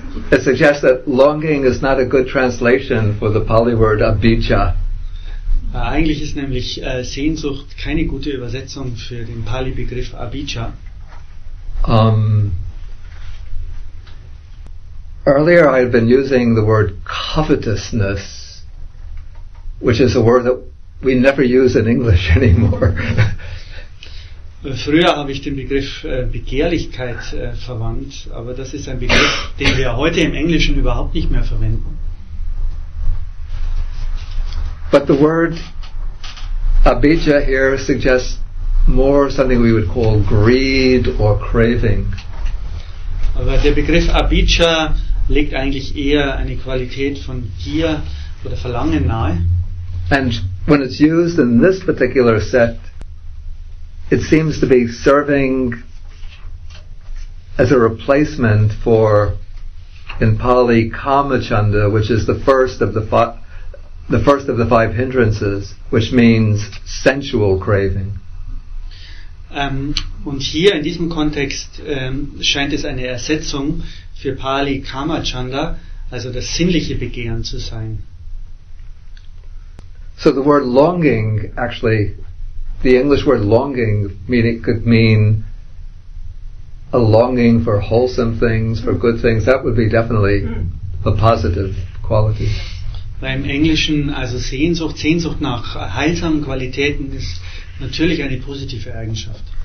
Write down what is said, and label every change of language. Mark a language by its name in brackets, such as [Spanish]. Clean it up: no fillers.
[English] It suggests that longing is not a good translation for the Pali word abhijja. [German] Eigentlich ist nämlich Sehnsucht keine gute Übersetzung für den Pali-Begriff abhijja. [English] Earlier I had been using the word covetousness, which is a word that we never use in English anymore. [German] Früher habe ich den Begriff Begehrlichkeit verwandt, aber das ist ein Begriff, den wir heute im Englischen überhaupt nicht mehr verwenden. [English] But the word abhijja here suggests more something we would call greed or craving. [German] Aber der Begriff abhijja legt eigentlich eher eine Qualität von Gier oder Verlangen nahe. [English] And when it's used in this particular set, it seems to be serving as a replacement for, in Pali, kamachanda, which is the first of the five hindrances, which means sensual craving. [German] Und hier in diesem Kontext scheint es eine Ersetzung für Pali Kamachanda, also das sinnliche Begehren zu sein. [English] So the word longing, actually, the English word longing could mean a longing for wholesome things, for good things. That would be definitely a positive quality. [German] Beim Englischen, also Sehnsucht nach heilsamen Qualitäten ist natürlich eine positive Eigenschaft.